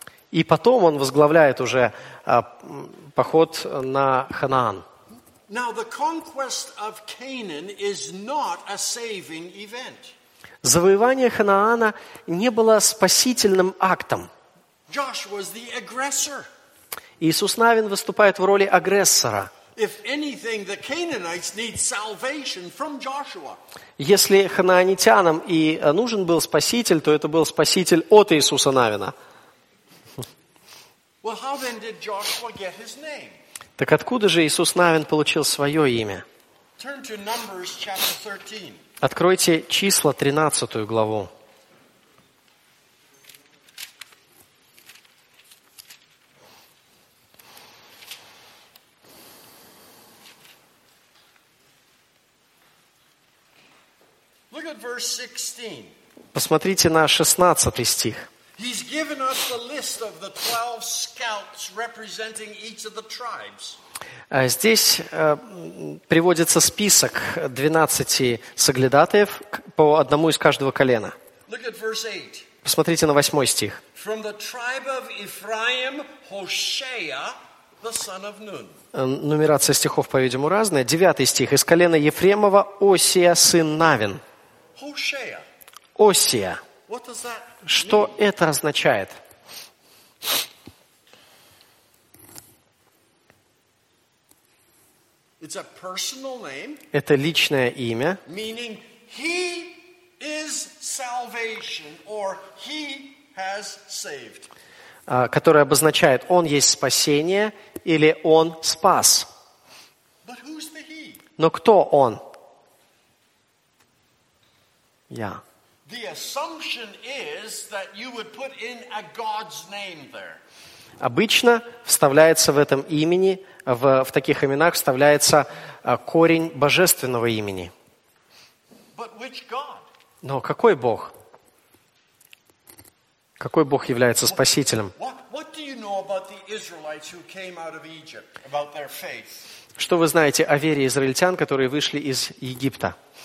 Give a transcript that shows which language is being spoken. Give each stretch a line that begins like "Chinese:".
Russian: И потом он возглавляет уже поход на Ханаан.
English: Now, the conquest of Canaan is not a saving event.
Russian: Завоевание Ханаана не было спасительным актом.
English: Joshua was the aggressor.
Russian: Иисус Навин выступает в роли агрессора.
English: If anything, the Canaanites need salvation from Joshua.
Russian: Если ханаанитянам и нужен был спаситель, то это был спаситель от Иисуса Навина.
English: Well, how then did Joshua get his name?
Russian: Так откуда же Иисус Навин получил свое имя?
English: Turn to Numbers, chapter 13.
Russian: Откройте числа 13 главу.
English: Look at verse 16.
Russian: Посмотрите на 16 стих.
English: He's given us the list of the 12 scouts representing each of the tribes.
Russian: Здесь приводится список 12 соглядатаев по одному из каждого колена.
English: Look at verse 8.
Russian: Посмотрите на 8 стих.
English: From the tribe of Ephraim, Hoshea, the son of Nun.
Russian: Нумерация стихов, по-видимому, разная. 9 стих. Из колена Ефремова, Осия, сын Навин.
English: Hoshea.
Russian: Осия.
English: What does that mean?
Russian: Что это означает?
English: It's a personal name.
Russian: Это личное имя.
English: Meaning he is salvation, or he has saved.
Russian: Которое обозначает, он есть спасение или он спас.
English: But who's the he?
Russian: Но кто он? Я.
English: The assumption is that you would put in a God's name there.
Russian: Обычно вставляется в этом имени, в таких именах вставляется корень божественного имени.
English: But which God?
Russian: Но какой Бог? Какой Бог является спасителем?
English: What do you know about the Israelites who came out of Egypt, about their faith?
Russian: Что вы знаете о вере израильтян, которые вышли из Египта?